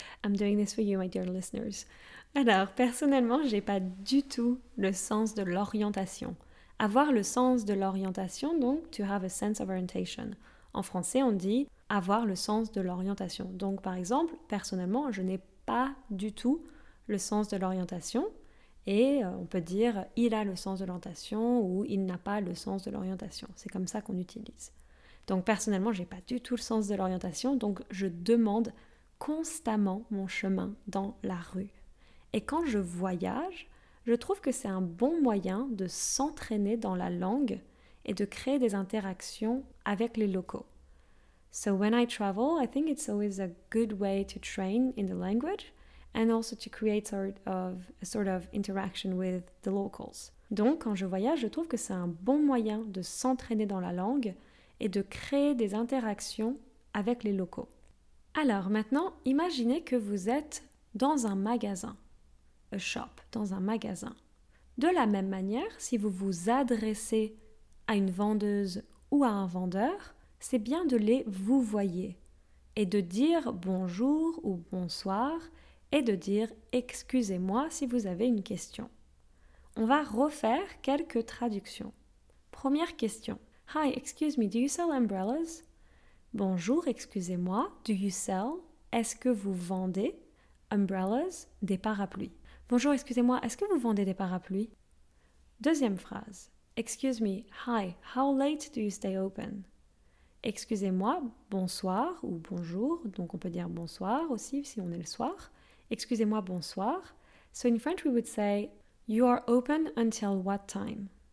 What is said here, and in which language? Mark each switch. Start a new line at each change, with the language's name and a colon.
English: I'm doing this for you, my dear listeners.
French: Alors, personnellement, j'ai pas du tout le sens de l'orientation. Avoir le sens de l'orientation, donc,
English: to have a sense of orientation.
French: En français, on dit avoir le sens de l'orientation. Donc, par exemple, personnellement, je n'ai pas du tout le sens de l'orientation. Et on peut dire « il a le sens de l'orientation » ou « il n'a pas le sens de l'orientation ». C'est comme ça qu'on utilise. Donc personnellement, je n'ai pas du tout le sens de l'orientation, donc je demande constamment mon chemin dans la rue. Et quand je voyage, je trouve que c'est un bon moyen de s'entraîner dans la langue et de créer des interactions avec les locaux.
English: So when I travel, I think it's always a good way to train in the language. And also to create a sort of interaction with the locals.
French: Donc, quand je voyage, je trouve que c'est un bon moyen de s'entraîner dans la langue et de créer des interactions avec les locaux. Alors, maintenant, imaginez que vous êtes dans un magasin.
English: A shop,
French: dans un magasin. De la même manière, si vous vous adressez à une vendeuse ou à un vendeur, c'est bien de les vouvoyer et de dire bonjour ou bonsoir et de dire « excusez-moi si vous avez une question ». On va refaire quelques traductions. Première question. «
English: Hi, excuse me, do you sell umbrellas
French: ?»« Bonjour, excusez-moi,
English: do you sell
French: ?»« Est-ce que vous vendez
English: umbrellas,
French: des parapluies ?»« Bonjour, excusez-moi, est-ce que vous vendez des parapluies ?» Deuxième phrase.
English: « Excuse me, hi, how late do you stay open ?»
French: Excusez-moi, bonsoir ou bonjour, donc on peut dire bonsoir aussi si on est le soir. Excusez-moi, bonsoir.
English: So in French we would say, you are open until what time?